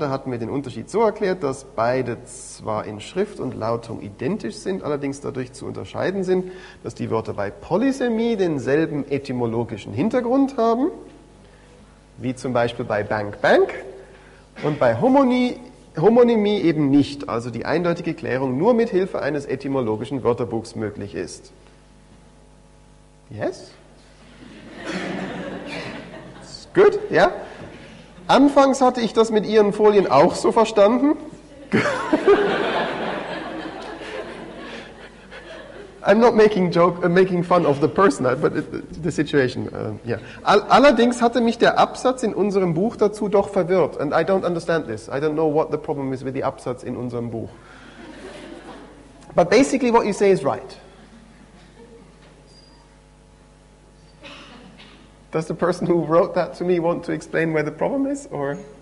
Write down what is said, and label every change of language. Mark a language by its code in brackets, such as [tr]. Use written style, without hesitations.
[de] Da hatten wir den Unterschied so erklärt, dass beide zwar in Schrift und Lautung identisch sind, allerdings dadurch zu unterscheiden sind, dass die Wörter bei Polysemie denselben etymologischen Hintergrund haben, wie zum Beispiel bei Bank Bank, und bei Homonymie eben nicht, also die eindeutige Klärung nur mit Hilfe eines etymologischen Wörterbuchs möglich ist. Yes? Good, ja? Yeah. Anfangs hatte ich das mit Ihren Folien auch so verstanden. [en] I'm not making fun of the person, but the situation, yeah. [de] Allerdings hatte mich der Absatz in unserem Buch dazu doch verwirrt. [en] And I don't understand this. I don't know what the problem is with the [de] Absatz in unserem Buch. [en] But basically what you say is right. Does the person who wrote that to me want to explain where the problem is, or?